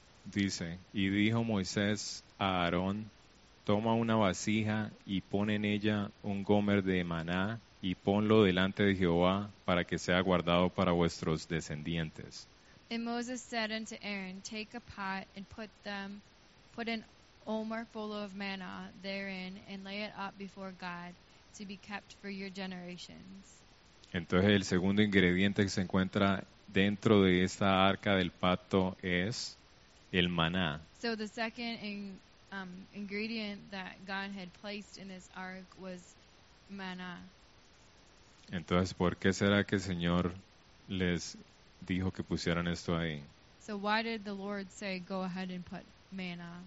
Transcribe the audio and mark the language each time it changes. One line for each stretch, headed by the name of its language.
Spanish: Dice, y dijo Moisés a Aarón, toma una vasija y pon en ella un gomer de maná y ponlo delante de Jehová para que sea guardado para vuestros descendientes.
English: And Moses said unto Aaron, take a pot and put in Omer full of manna therein, and lay it up before God to be kept for your generations.
Spanish: Entonces el segundo ingrediente que se encuentra dentro de esta arca del pacto es el maná.
English: So the second ingredient that God had placed in this ark was manna.
Spanish: Entonces, ¿por qué será que el Señor les dijo que pusieran esto ahí?
English: So why did the Lord say go ahead and put manna?